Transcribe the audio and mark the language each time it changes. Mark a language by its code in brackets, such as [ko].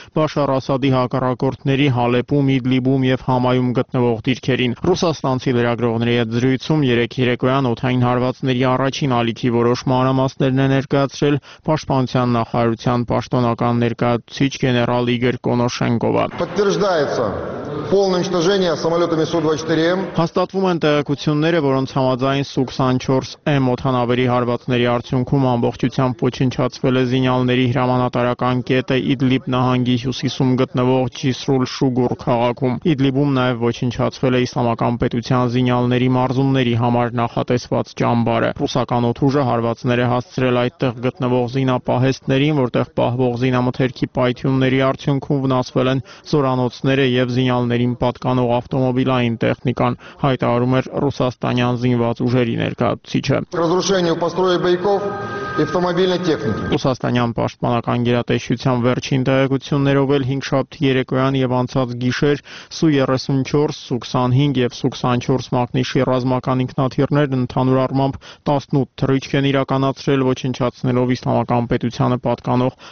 [hy] Բաշար Ասադի հակառակորդների Հալեպում, Իդլիբում և Համայում գտնվող դիրքերին։ Ռուսաստանցի լրագրողների հետ զրույցում 3 երեկոյան օթային հարվածների առաջին ալիքի որոշ մանրամասներն է ներկայացրել Պաշտպանության նախարարության պաշտոնական ներկայացուցիչ գեներալ Իգոր Կոնոշ Շենկովա։ [ru] Подтверждается полное уничтожение самолётами Су-24М։ [hy] Հաստատվում են տեղեկությունները, որոնց համաձայն Су-24М օթանավերի հարվածների արդյունքում ամբողջությամբ ոչնչացվել է Զինյալների հրամանատարական կետը Իդլիբ նահանգի հյուսիսում գտնվող Ջիսրուլ Շուգուր քաղաքում։ Իդլիբում նաև ոչնչացվել է Իսլամական պետության Զինյալների մարզումների համար նախատեսված ճամբարը։ Ռուսական օդուժը հարվածներ է հասցրել այդտեղ գտնվող զինապահեստներին, որտեղ պահվող զինամթերքի պայթյունների արդյունքում վնասվել են զորանոցները եւ Զինյալներին պատկանող ավտոմոբիլային տեխնիկան, հայտարարում էր ռուսաստանյան զինված ուժերի ներկայացուցիչը։ [ru] Разрушение построек боевиков и автомобильной техники։ [hy] Ռուսաստանյան պաշտպանական գերատեսչության վերջին տեղեկություններով 5-7 երեկոյան եւ անցած գիշեր Су-34, Су-25 եւ Су-24 մագնիշի ռազմական ինքնաթիռներ ընդհանուր առմամբ 18 թռիչք են իրականացրել, ոչնչացնելով Իսլամական պետությանը պատկանող